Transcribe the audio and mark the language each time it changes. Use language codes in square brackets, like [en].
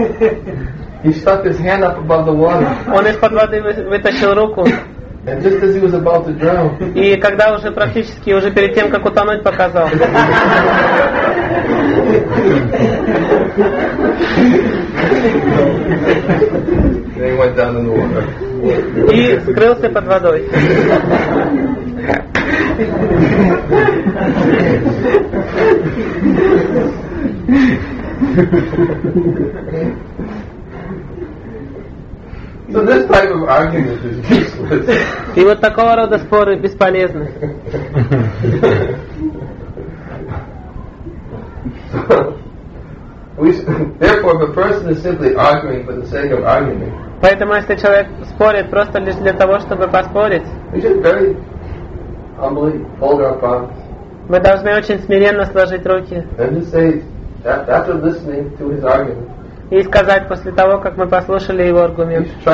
[en] he stuck his hand up above the water. [ru] Он из-под воды вытащил руку. [en] And just as he was about to drown, [ru] и когда уже практически, уже перед тем, как утонуть, показал. [en] Then he went down in the water. [ru] И скрылся под водой. [en] So this type of argument is useless. [ru] И вот такого рода споры бесполезны. [en] Therefore, if a person is simply arguing for the sake of arguing, [ru] поэтому если человек спорит просто лишь для того, чтобы поспорить, [en] we should very humbly hold our palms. [ru] Мы должны очень смиренно сложить руки. [en] And just say that after listening to his argument. [ru] И сказать, после того, как мы послушали его аргумент.